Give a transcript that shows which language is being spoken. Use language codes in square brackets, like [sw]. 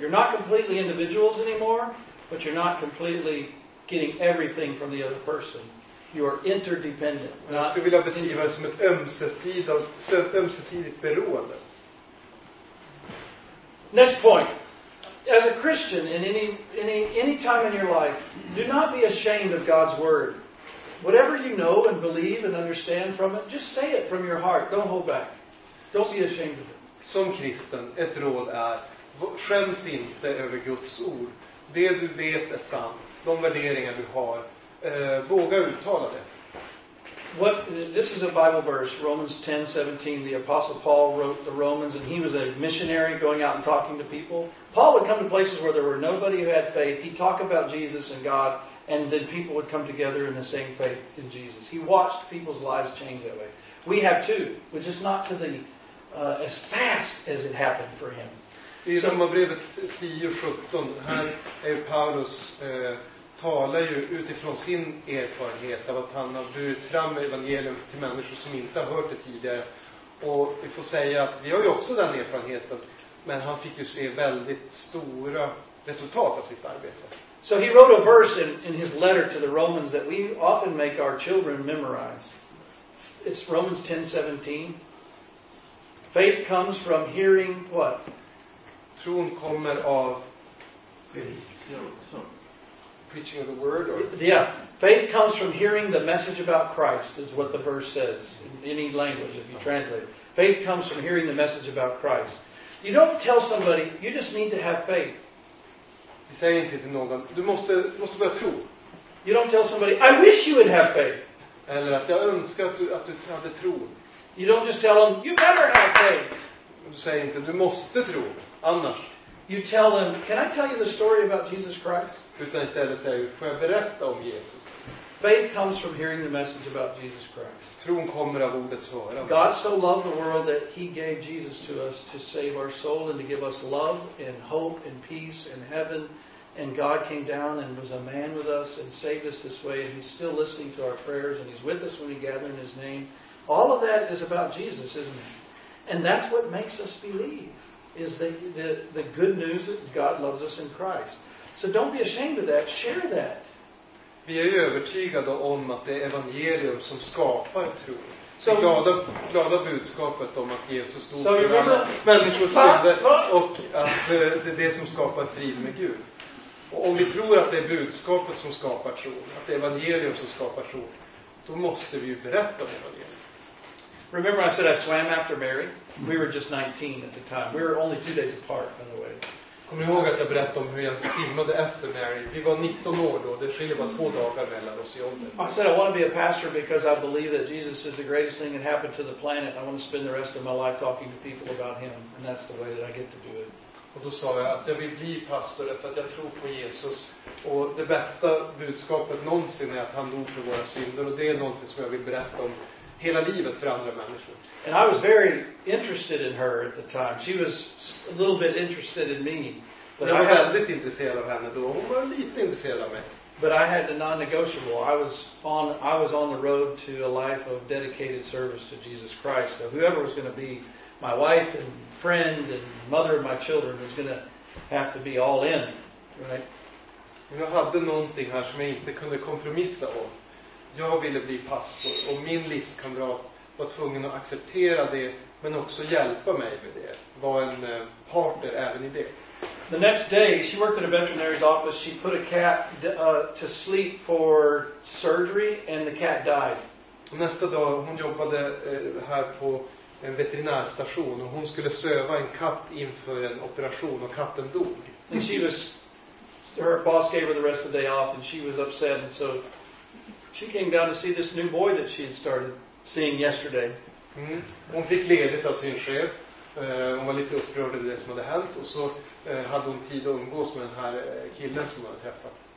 [en] You're not completely individuals anymore, but you're not completely getting everything from the other person. You are interdependent. [sv] Jag skulle vilja beskriva det som ett ömsesidigt beroende. [en] Next point. As a Christian, in any time in your life, do not be ashamed of God's word. Whatever you know and believe and understand from it, just say it from your heart. Don't hold back. Don't be ashamed of it. [sv] som kristen, ett råd är: skäms inte över Guds ord. Det du vet är sant. De värderingar du har, våga uttala det. [en] What, this is a Bible verse, Romans 10:17. The Apostle Paul wrote the Romans, and he was a missionary going out and talking to people. Paul would come to places where there were nobody who had faith. He'd talk about Jesus and God, and then people would come together in the same faith in Jesus. He watched people's lives change that way. We have too, which is not to the as fast as it happened for him. [sv] I Romarbrevet 10:17, här är Paulus talar ju utifrån sin erfarenhet av att han har burit fram evangelium till människor som inte har hört det tidigare. Och vi får säga att vi har ju också den erfarenheten, men han fick ju se väldigt stora resultat av sitt arbete. [en] So he wrote a verse in his letter to the Romans that we often make our children memorize. It's Romans 10:17. Faith comes from hearing what? [sv] Tron kommer av [en] preaching of the word, or yeah, faith comes from hearing the message about Christ, is what the verse says in any language if you translate it. Faith comes from hearing the message about Christ. You don't tell somebody, you just need to have faith. [sv] Du säger inte till någon, du måste börja tro. [en] You don't tell somebody, I wish you would have faith. [sv] Eller att jag önskar att du hade tro. [en] You don't just tell them, you better have faith. [sv] Du säger inte, du måste tro, annars. [en] You tell them, can I tell you the story about Jesus Christ? [sv] Utan istället säger, får jag berätta om Jesus? [en] Faith comes from hearing the message about Jesus Christ. [sv] Tron kommer av ordets svar. [en] God so loved the world that he gave Jesus to us to save our soul and to give us love and hope and peace and heaven. And God came down and was a man with us and saved us this way. And he's still listening to our prayers and he's with us when we gather in his name. All of that is about Jesus, isn't it? And that's what makes us believe. Is the good news that God loves us in Christ. So don't be ashamed of that. Share that. [sv] Vi är övertygade om att det är evangelium som skapar tro. Så glada budskapet om att Jesus stod för alla människors synder och att det är det som skapar frid med Gud. Och om vi tror att det är budskapet som skapar tro, att det är evangelium som skapar tro, då måste vi ju berätta om evangeliet. [en] Remember I said I swam after Mary? We were just 19 at the time. We were only 2 days apart, by the way. [sv] Kom ihåg att jag berättade om hur jag simmade efter Mary. Vi var 19 år då. Det skiljer bara 2 dagar mellan oss i ålder. [en] I said I want to be a pastor because I believe that Jesus is the greatest thing that happened to the planet. I want to spend the rest of my life talking to people about him. And that's the way that I get to do it. [sv] Och då sa jag att jag vill bli pastor för att jag tror på Jesus. Och det bästa budskapet någonsin är att han dog för våra synder. Och det är någonting som jag vill berätta om hela livet för andra människor. [en] And I was very interested in her at the time. She was a little bit interested in me. [sv] But jag var väldigt intresserad av henne då. Hon var lite intresserad av mig. [en] But I had a non-negotiable. I was on the road to a life of dedicated service to Jesus Christ. So whoever was going to be my wife and friend and mother of my children was going to have to be all in, right? [sv] Jag hade någonting här som jag inte kunde kompromissa om. Jag ville bli pastor och min livskamrat var tvungen att acceptera det men också hjälpa mig med det. Var en partner även i det. [en] The next day she worked in a veterinary's office. She put a cat to sleep for surgery and the cat died. [sv] Och nästa dag hon jobbade här på en veterinärstation och hon skulle söva en katt inför en operation och katten dog. [en] And she was, her boss gave her the rest of the day off and she was upset and so she came down to see this new boy that she had started seeing yesterday. [sv] Hon fick ledigt av sin chef. Hon var lite upprörd över det som hade hänt. Och så hade hon tid att umgås med den här killen som hon hade träffat.